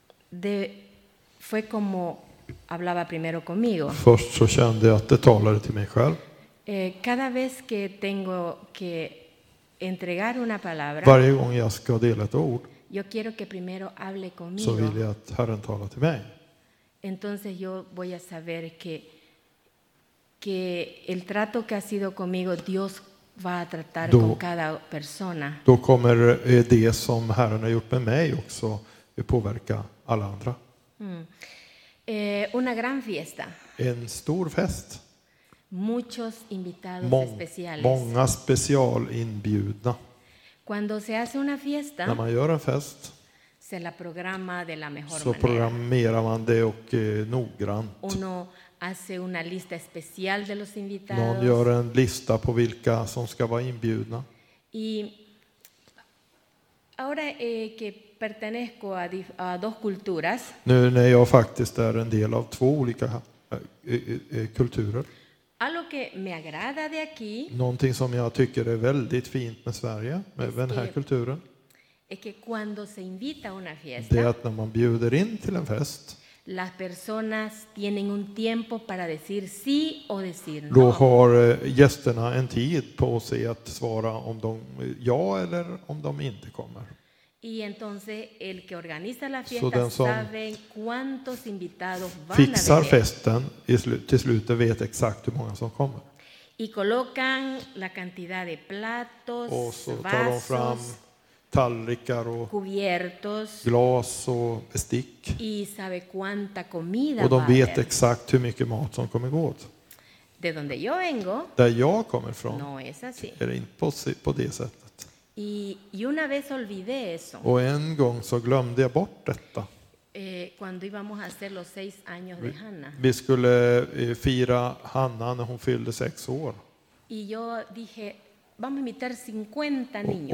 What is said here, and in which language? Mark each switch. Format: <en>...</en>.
<es>det fue como hablaba primero conmigo.</es> <sv>Först så kände jag att det talade till mig själv.</sv> <es>Cada vez que tengo que entregar una palabra,</es> <sv>varje gång jag ska dela ett ord,</sv> <es>yo quiero que primero hable conmigo,</es> <sv>så vill jag att Herren talar till mig.</sv> <es>Entonces yo voy a saber que el trato que ha sido conmigo Dios va a tratar con cada persona.</es> <sv>Då kommer det som Herren har gjort med mig också påverka alla andra.</sv> <es>Una gran fiesta.</es> <sv>En stor fest.</sv> <es>Muchos invitados especiales.</es> <sv>Många specialinbjudna.</sv> <es>Cuando se hace una fiesta,</es> <sv>när man gör en fest,</sv> <es>se la programa de la mejor</es> <sv>manera. Så programmerar man det och noggrant.</sv> <es>Uno hace una lista especial de los invitados.</es> <sv>Någon gör en lista på vilka som ska vara inbjudna.</sv> <es>Y ahora que pertenezco a dos culturas.</es> <sv>Nu när jag faktiskt är en del av två olika kulturer.</sv> <es>Algo que me agrada de aquí,</es> <sv>någonting som jag tycker är väldigt fint med Sverige, med den här kulturen,</sv> <es>es que cuando se invita una fiesta,</es> <sv>det är att när man bjuder in till en fest,</sv> <es>las personas tienen un tiempo para decir sí o decir no.</es> <sv>Då har gästerna en tid på sig att svara om de ja eller om de inte kommer.</sv> <es>Y entonces el que organiza la fiesta sabe cuántos invitados van a venir.</es> <sv>Fixar festen till slutet vet exakt hur många som kommer.</sv> <es>Y colocan la cantidad de platos,</es> <sv>och så</sv> <es>vasos,</es> <sv>tar de fram tallrikar och</sv> <es>cubiertos,</es> <sv>glas och bestick.</sv> <es>Y sabe cuánta comida.</es> <sv>Och de vet exakt hur mycket mat som kommer gå åt.</sv> <es>De donde yo vengo,</es> <sv>där jag kommer från,</sv> <es>no es así.</es> <sv>Är det inte på det sättet.</sv> <es>Y una vez olvidé eso.</es> <sv>Och en gång så glömde jag bort detta.</sv> <es>Cuando íbamos a hacer los 6 años de Hanna.</es> <sv>Vi skulle fira Hanna när hon fyllde 6 år.</sv> <es>Y yo dije, vamos a invitar 50 niños.</es>